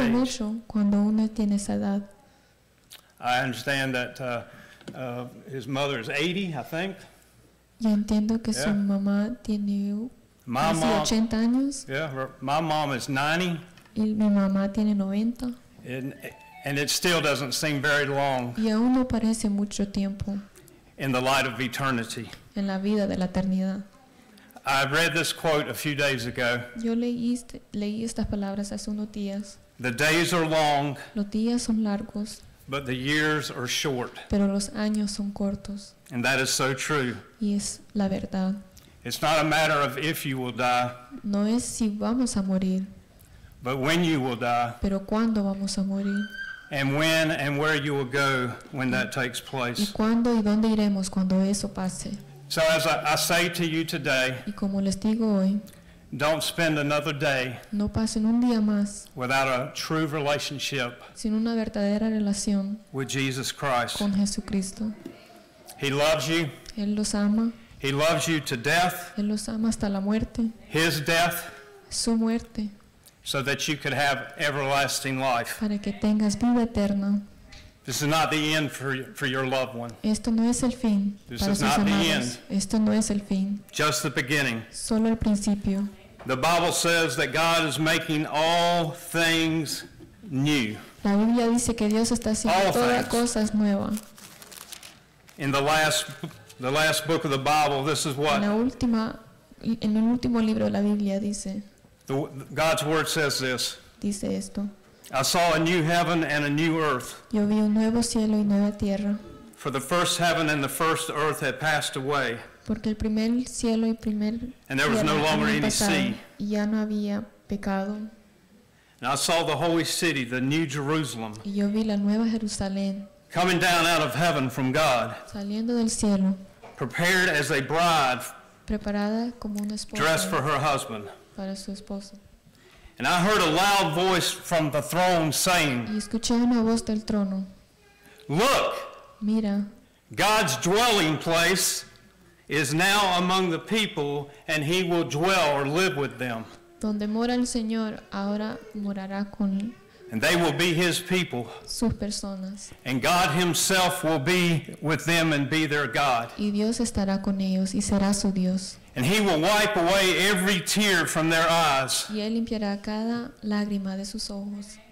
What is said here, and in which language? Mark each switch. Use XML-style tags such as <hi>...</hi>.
<es>Y no parece mucho cuando uno tiene esa edad.</es> <en>I understand that his mother is 80, I think.</en> <es>Yo entiendo que su mamá tiene casi 80 años.</es> <en>Yeah, my mom is 90.</en> <es>Y mi mamá tiene 90.</es> <en>And it still doesn't seem very long.</en> <es>Y aún no parece mucho tiempo.</es> <en>In the light of eternity.</en> <es>En la vida de la eternidad.</es> <en>I read this quote a few days ago.</en> <es>Yo leí estas palabras hace unos días.</es> <en>The days are long.</en> <es>Los días son largos.</es> <en>But the years are short.</en> <es>Pero los años son cortos.</es> <en>And that is so true.</en> <es>Y es la verdad.</es> <en>It's not a matter of if you will die.</en> <es>No es si vamos a morir.</es> <en>But when you will die.</en> <es>Pero cuándo vamos a morir.</es> <en>And when and where you will go when that takes place.</en> <es>Y cuándo y dónde iremos cuando eso pase.</es> <en>So as I say to you today,</en> <es>y como les digo hoy,</es> <en>don't spend another day</en> <es>no pasen un día más</es> <en>without a true relationship</en> <es>sin una verdadera relación</es> <en>with Jesus Christ.</en> <es>Con Jesucristo.</es> <en>He loves you.</en> <es>Él los ama.</es> <en>He loves you to death.</en> <es>Él los ama hasta la muerte.</es> <en>His death.</en> <es>Su muerte.</es> <en>So that you could have everlasting life.</en> <es>Para que tengas vida eterna.</es> <en>This is not the end for your loved one.</en> <es>Esto no es el fin.</es> <en>This is not the end.</en> <es>Esto no es el fin.</es> <en>Just the beginning.</en> <es>Solo el principio.</es> <en>The Bible says that God is making all things new.</en> <es>La Biblia dice que Dios está haciendo todas cosas nuevas.</es> <en>In the last book of the Bible, this is what?</en> <es>En el último libro de la Biblia dice.</es> <en>God's word says this.</en> <es>Dice esto.</es> <en>I saw a new heaven and a new earth.</en> <es>Yo vi un nuevo cielo y nueva tierra.</es> <en>For the first heaven and the first earth had passed away.</en> <es>Porque el primer cielo y primer</es> <en>and there was no longer any sea.</en> <es>Y ya no había pecado.</es> <en>And I saw the holy city, the new Jerusalem.</en> <es>Y yo vi la nueva Jerusalén.</es> <en>Coming down out of heaven from God.</en> <es>Saliendo del cielo.</es> <en>Prepared as a bride.</en> <es>Preparada como una esposa.</es> <en>Dressed for her husband.</en> <es>Para su esposo.</es> <en>And I heard a loud voice from the throne saying,</en> <es>y escuché una voz del trono.</es> <en>Look,</en> <es>mira,</es> <en>God's dwelling place is now among the people, and he will dwell or live with them.</en> <es>Donde mora el Señor, ahora morará con él.</es> <en>And they will be his people.</en> <es>Sus personas.</es> <en>And God himself will be with them and be their God.</en> <es>Y Dios estará con ellos y será su Dios.</es> <en>And he will wipe away every tear from their eyes.</en> <es>Y él limpiará cada lágrima de sus ojos.</es>